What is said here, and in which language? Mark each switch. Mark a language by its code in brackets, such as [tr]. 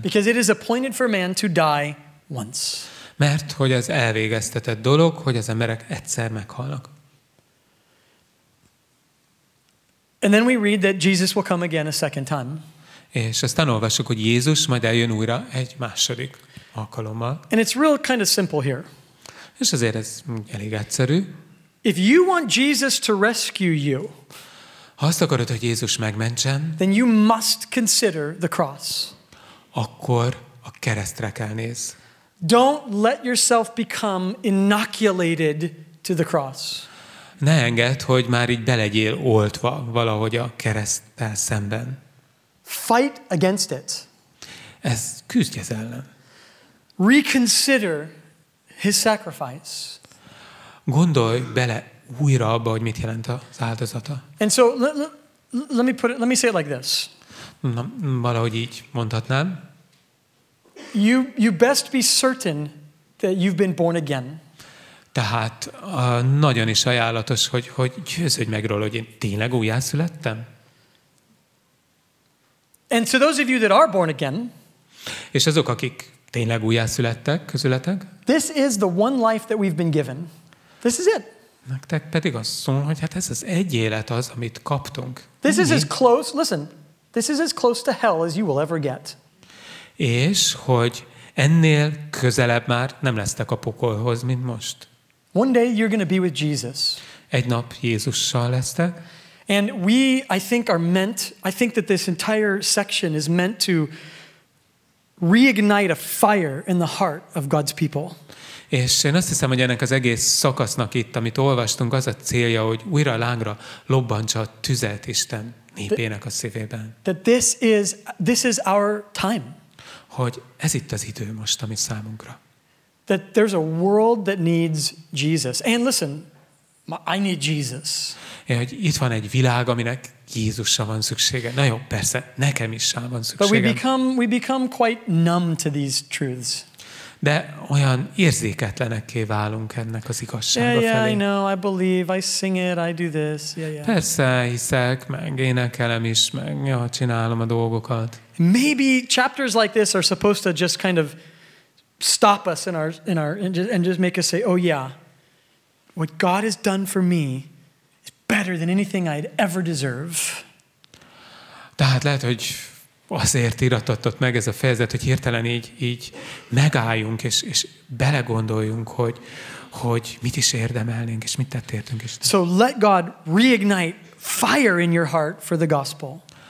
[en] Because it is appointed for man to die once. [hu] Mert hogy az elvégeztetett dolog, hogy az emberek egyszer meghalnak. [en] And then we read that Jesus will come again a second time. [hu] És aztán olvassuk, hogy Jézus majd eljön újra egy második alkalommal. [en] And it's real kind of simple here. [hu] És azért ez elég egyszerű. [en] If you want Jesus to rescue you, [hu] Ha azt akarod, hogy Jézus megmentsen, [en] then you must consider the cross. [hu] Akkor a keresztre kell néz. [en] Don't let yourself become inoculated to the cross. [hu] Ne engedd, hogy már így belegyél oltva valahogy a kereszttel szemben. [en] Fight against it. [hu] Ez küzdj ez ellen. [en] Reconsider his sacrifice. [hu] Gondolj bele újra abba, hogy mit jelent az áldozata. [en] And so let me say it like this. [hu] Na, valahogy így mondhatnám. [en] You best be certain that you've been born again. [hu] Tehát nagyon is ajánlatos, hogy győződj meg róla, hogy én tényleg újjászülettem. [en] And so those of you that are born again, [hu] és azok, akik tényleg újjászülettek közületek, [en] this is the one life that we've been given. This is it. [hu] Nektek pedig azt mondom, hogy hát ez az egy élet az, amit kaptunk. [en] This is as close, listen, this is as close to hell as you will ever get. [hu] És hogy ennél közelebb már nem lesztek a pokolhoz, mint most. [en] One day you're going to be with Jesus. [hu] Egy nap Jézussal lesztek. [en] And we, I think that this entire section is meant to reignite a fire in the heart of God's people. [hu] És én azt hiszem, hogy ennek az egész szakasznak itt, amit olvastunk, az a célja, hogy újra lángra lobbantsa a tüzet Isten népének a szívében. [en] That this is our time. [hu] Hogy ez itt az idő most, ami számunkra. [en] That there's a world that needs Jesus. And listen, I need Jesus. [hu] Én, hogy itt van egy világ, aminek Jézusra van szüksége. Na jó, persze, nekem is rá van szükségem. [en] But we become quite numb to these truths. [hu] De olyan érzéketlenekké válunk ennek az igazsága felé. [en] Yeah, I know, I believe, I sing it, I do this. Yeah. [hu] Persze, hiszek, meg énekelem is, meg ja, csinálom a dolgokat. [en] Maybe chapters like this are supposed to just kind of stop us in our and just make us say, oh yeah, what God has done for me is better than anything I'd ever deserve. [hu] Tehát lehet, hogy azért iratott meg ez a fejezet, hogy hirtelen így megálljunk és belegondoljunk, hogy mit is érdemelnénk és mit tett értünk Isten. [en] So let God reignite fire in your heart for the gospel.